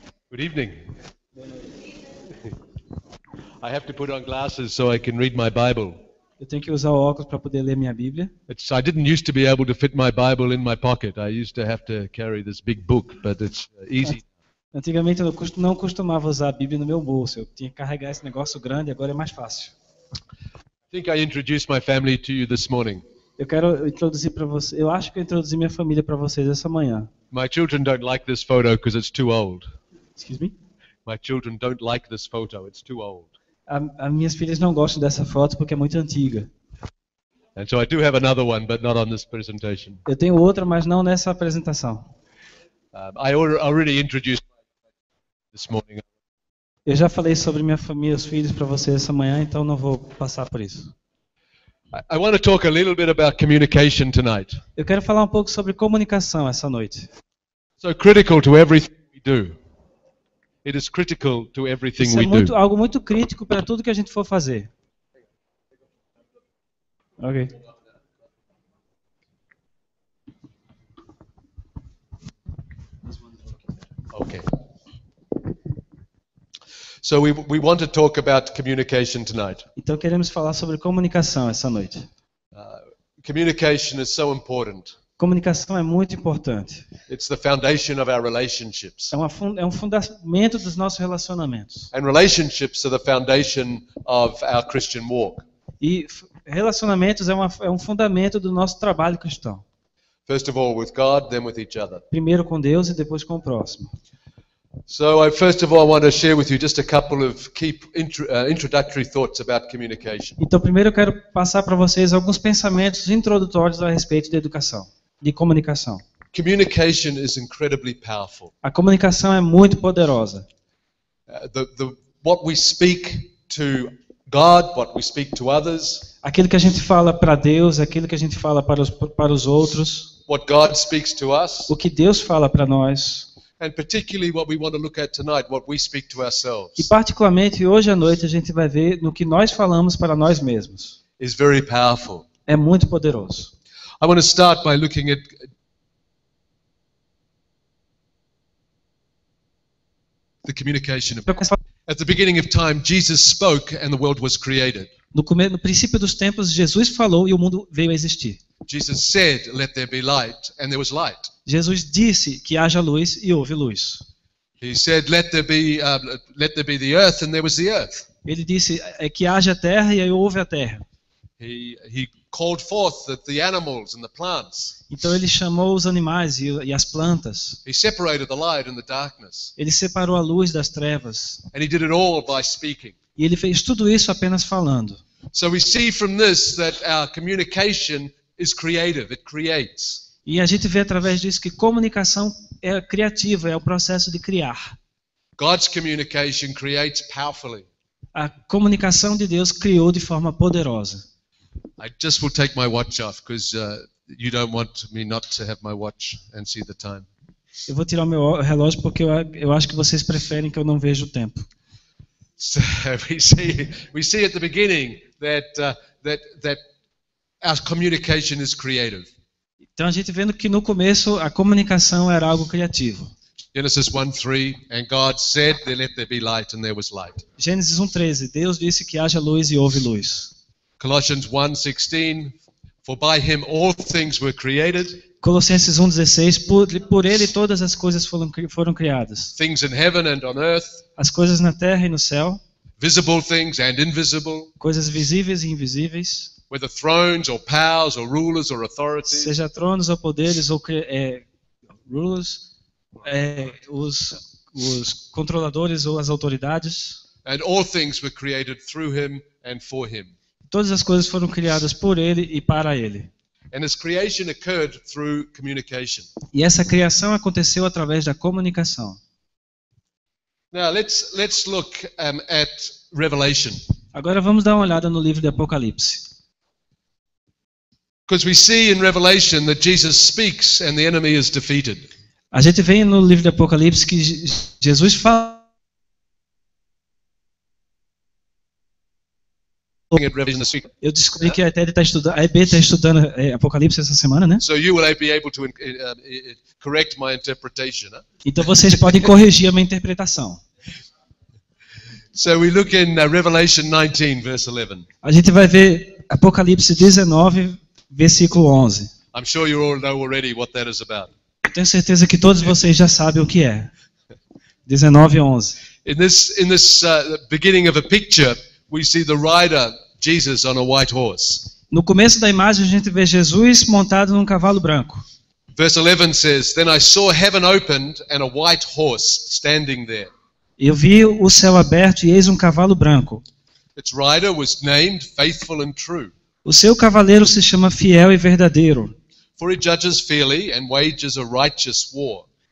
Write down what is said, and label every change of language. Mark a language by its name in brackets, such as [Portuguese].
[English] Good evening. I have to put on glasses so I can read my Bible. [Portuguese] Eu tenho que usar óculos para poder ler minha Bíblia. [English] I didn't used to be able to fit my Bible in my pocket. I used to have to carry this big book, but it's easy. [Portuguese] Antigamente eu não costumava usar a Bíblia no meu bolso. Eu tinha que carregar esse negócio grande, agora é mais fácil. [English] I think I introduced my family to you this morning. [Portuguese] Eu quero introduzir para você. Eu acho que eu introduzi minha família para vocês essa manhã. [English] My children don't like this photo because it's too old. Excuse me? My children don't like this photo. It's too old. [Portuguese] As minhas filhas não gostam dessa foto porque é muito antiga. [English] And so I do have another one, but not on this presentation. [Portuguese] Eu tenho outra, mas não nessa apresentação. [English] I already introduced this morning. [Portuguese] Eu já falei sobre minha família, os filhos para vocês essa manhã, então não vou passar por isso. [English] I want to talk a little bit about communication tonight. [Portuguese] Eu quero falar um pouco sobre comunicação essa noite. [English] So critical to everything we do. It is critical to everything we do. [Portuguese] Isso é algo muito crítico para tudo que a gente for fazer. [English] Ok. Okay. So we want to talk about communication tonight. [Portuguese] Então queremos falar sobre comunicação essa noite. [English] Communication is so important. [Portuguese] Comunicação é muito importante. [English] It's the foundation of our relationships. [Portuguese] É um fundamento dos nossos relacionamentos. [English] And relationships are the foundation of our Christian walk. [Portuguese] E relacionamentos é um fundamento do nosso trabalho cristão. [English] First of all with God, then with each other. [Portuguese] Primeiro com Deus e depois com o próximo. [English] So I first of all want to share with you just a couple of key introductory thoughts about communication. [Portuguese] Então primeiro eu quero passar para vocês alguns pensamentos introdutórios a respeito da educação, de comunicação. [English] Communication is incredibly powerful. [Portuguese] A comunicação é muito poderosa. [English] What we speak to God, what we speak to others. [Portuguese] Aquilo que a gente fala para Deus, aquilo que a gente fala para os outros. [English] What God speaks to us. [Portuguese] O que Deus fala para nós. [English] And particularly what we want to look at tonight, what we speak to ourselves. [Portuguese] E particularmente hoje à noite a gente vai ver no que nós falamos para nós mesmos. [English] Is very powerful. [Portuguese] É muito poderoso. [English] I want to start by looking at the communication of at the beginning of time Jesus spoke and the world was created. [Portuguese] No princípio dos tempos Jesus falou e o mundo veio a existir. [English] Jesus said, "Let there be light," and there was light. [Portuguese] Jesus disse que haja luz e houve luz. [English] He said, let there be the earth," and there was the earth. [Portuguese] Ele disse que haja terra e aí houve a terra. [English] He called forth the animals and the plants. [Portuguese] Então ele chamou os animais e as plantas. [English] He separated the light and the darkness. [Portuguese] Ele separou a luz das trevas. [English] And he did it all by speaking. [Portuguese] E ele fez tudo isso apenas falando. [English] So we see from this that our communication is creative. It creates. [Portuguese] E a gente vê através disso que comunicação é criativa, é o processo de criar. [English] God's communication creates powerfully. [Portuguese] A comunicação de Deus criou de forma poderosa. [English] I just will take my watch off because you don't want me not to have my watch and see the time. [Portuguese] Eu vou tirar meu relógio porque eu acho que vocês preferem que eu não veja o tempo. [English] So we see at the beginning that our communication is creative. [Portuguese] Então a gente vendo que no começo a comunicação era algo criativo. [English] Genesis 1:3, and God said, "Let there be light," and there was light. [Portuguese] Gênesis 1:13, Deus disse que haja luz e houve luz. [English] Colossians 1:16, for by him all things were created. [Portuguese] Colossenses 1:16, por ele todas as coisas foram criadas. [English] Things in heaven and on earth. [Portuguese] As coisas na terra e no céu. [English] Visible things and invisible. [Portuguese] Coisas visíveis e invisíveis. [English] Whether thrones or powers or rulers or authorities. [Portuguese] Seja tronos ou poderes ou rulers, os controladores ou as autoridades. [English] And all things were created through him and for him. [Portuguese] Todas as coisas foram criadas por ele e para ele. [English] And his creation occurred through communication. [Portuguese] E essa criação aconteceu através da comunicação. [English] Now let's look at Revelation. [Portuguese] Agora vamos dar uma olhada no livro de Apocalipse. [English] Because we see in Revelation that Jesus speaks and the enemy is defeated. [Portuguese] A gente vê no livro de Apocalipse que Jesus fala. Eu descobri que a EB está estudando Apocalipse essa semana, né? [English] So you will be able to correct my interpretation, huh? [Portuguese] Então vocês podem corrigir a minha interpretação. [English] So we look in Revelation 19, verse 11. [Portuguese] A gente vai ver Apocalipse 19, versículo 11. [English] I'm sure you all know already what that is about. [Portuguese] Eu tenho certeza que todos vocês já sabem o que é. [English] 19, 11. In this beginning of a picture, we see the rider Jesus on a white horse. [Portuguese] No começo da imagem a gente vê Jesus montado num cavalo branco. [English] Verse 11 says, "Then I saw heaven opened and a white horse standing there." [Portuguese] Eu vi o céu aberto e eis um cavalo branco. [English] Its rider was named Faithful and True. [Portuguese] O seu cavaleiro se chama Fiel e Verdadeiro. [English] For he judges fairly and wages a righteous war.